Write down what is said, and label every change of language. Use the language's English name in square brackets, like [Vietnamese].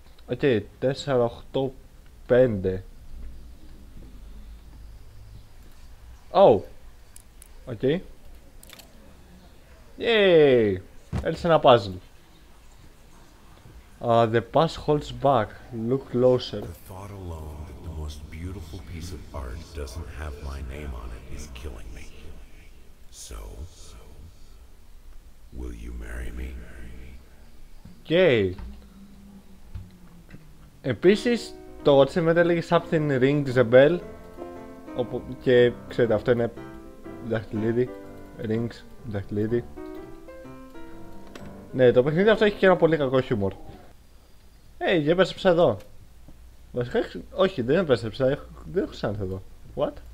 [Greek] Οκ, 4, 8, 5. Oh. Okay. Yay. Έλυσε ένα puzzle. [English] The past holds back. Look closer. The thought alone that the most beautiful piece of art doesn't have my name on it is killing me. So, will you marry me? Okay. [Greek] Επίσης, το achievement έλεγε [English] something rings a bell. [Greek] Και ξέρετε, αυτό είναι δαχτυλίδι. Rings, δαχτυλίδι. Ναι, το παιχνίδι αυτό έχει και ένα πολύ κακό χιούμορ. Hey, για επέστρεψα εδώ. Βασικά, όχι, δεν επέστρεψα. Δεν έχω ξανά εδώ. What?